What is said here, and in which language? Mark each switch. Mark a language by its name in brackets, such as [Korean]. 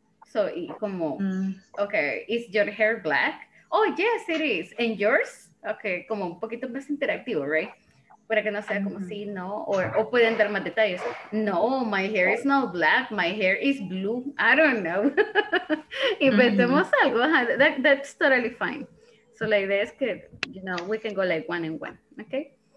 [English] So, [Spanish] y como, [English] okay, is your hair black? Oh, yes, it is. And yours? Okay, [Spanish] como un poquito más interactivo, [English] right? [Spanish] Para que no sea como sí, no, o pueden dar más detalles. [English] No, my hair is not black, my hair is blue. I don't know. [Spanish] Inventemos algo. [English] That's totally fine. So [Spanish] la idea es que, [English] you know, we can go like one and one, okay?